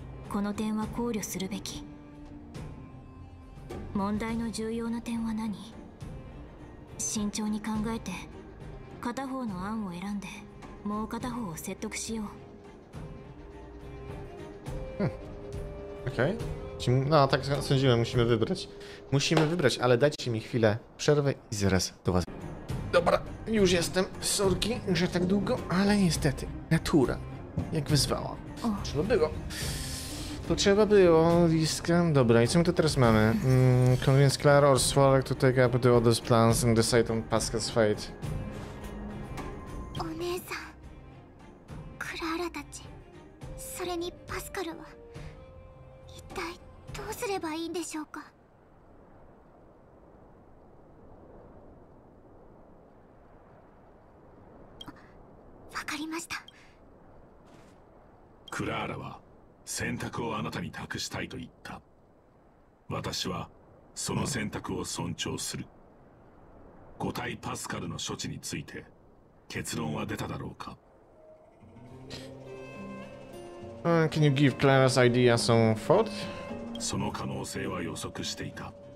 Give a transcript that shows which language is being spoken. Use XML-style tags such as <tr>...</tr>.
<ja>この点は考慮するべき。問題の重要な点は何？慎重に考えて、片方の案を選んで、もう片方を説得しよう。うん。OK。</ja> <pl>No, tak sądziłem, musimy wybrać. Musimy wybrać, ale dajcie mi chwilę przerwy i zaraz do was. Dobra, już jestem. Sorki, że tak długo, ale niestety. Natura. Jak wyzwała. Trzeba było. Potrzeba było, Liska. Dobra, i co my tu teraz mamy?</pl> <en>Convince Clara or Swalak to take up the other plans and decide on Pascal's fate.</en> <ja>Oneza. Clara tachi. Sore ni Pascal wa. どうすればいいんでしょうか。わかりました。クラーラは選択をあなたに託したいと言った。私はその選択を尊重する。個体パスカルの処置について結論は出ただろうか。</ja> <en>Can you give Clara's idea some thought?</en> <ja>その可能性は予測していた。</ja>